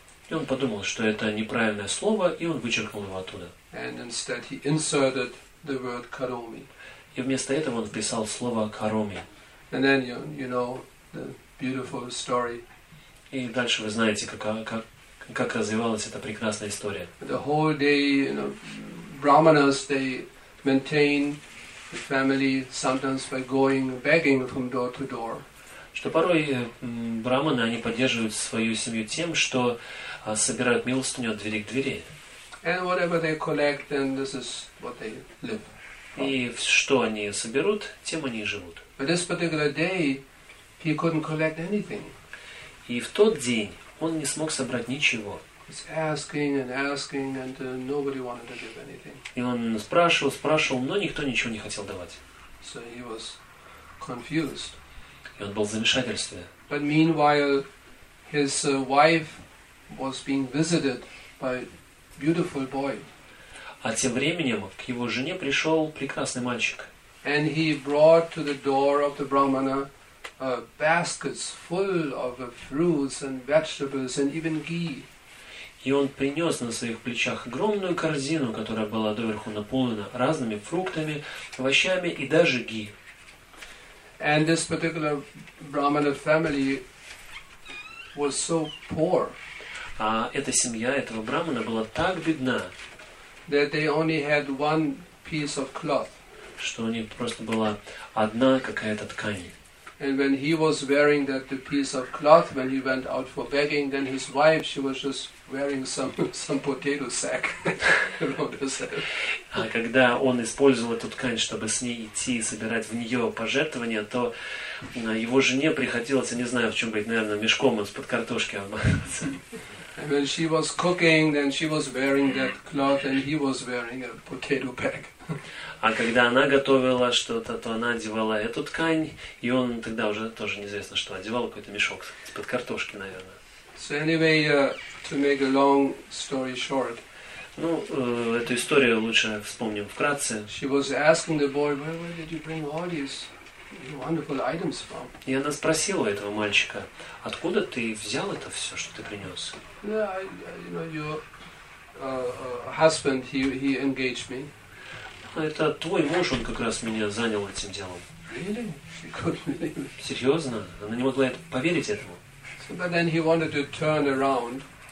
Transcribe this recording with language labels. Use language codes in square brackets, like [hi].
[ru] И он подумал, что это неправильное слово, и он вычеркнул его оттуда. [en] And instead he inserted the word karomi. [ru] И вместо этого он вписал слово «кароми». [en] And then you know the beautiful story. [ru] И дальше вы знаете, как развивалась эта прекрасная история. [en] The whole day, you know, brahmanas, they maintain the family sometimes by going begging from door to door. [ru] Что порой брахманы, они поддерживают свою семью тем, что собирают милостыню от двери к двери. [en] And whatever they collect, then this is what they live. [ru] И что они соберут, тем они и живут. [en] But this particular day, he couldn't collect anything. [ru] И в тот день он не смог собрать ничего. [en] He's asking and asking, and nobody wanted to give anything. [ru] И он спрашивал, но никто ничего не хотел давать. [en] So he was confused. [ru] И он был в замешательстве. [en] But meanwhile, his wife was being visited by beautiful boy. [ru] А тем временем к его жене пришел прекрасный мальчик. [en] And he brought to the door of the brahmana baskets full of fruits and vegetables and even ghee. [ru] И он принес на своих плечах огромную корзину, которая была доверху наполнена разными фруктами, овощами и даже ги. [en] And this particular brahmana family was so poor. [ru] А эта семья этого брахмана была так бедна, [en] that they only had one piece of cloth. [ru] Что у них просто была одна какая-то ткань. [en] And when he was wearing that piece of cloth when he went out for begging, then his wife, she was just wearing some potato sack around herself. [ru] А когда он использовал эту ткань, чтобы с ней идти и собирать в нее пожертвования, то его жене приходилось, я не знаю, в чем быть, наверное, мешком из-под картошки обмахаться. [en] And when she was cooking, then she was wearing that cloth, and he was wearing a potato bag. [ru] А когда она готовила что-то, то она одевала эту ткань, и он тогда уже тоже неизвестно что, одевал какой-то мешок из-под картошки, наверное. [en] So anyway, to make a long story short. [ru] Ну, эту историю лучше вспомним вкратце. [en] She was asking the boy, where did you bring all these wonderful items from? [ru] И она спросила этого мальчика, откуда ты взял это все, что ты принес? [en] Husband, he engaged me. [ru] Это твой муж, он как раз меня занял этим делом. [en] Really? [ru] Серьезно? Она не могла это, поверить этому. [en] So, but then he wanted to turn around.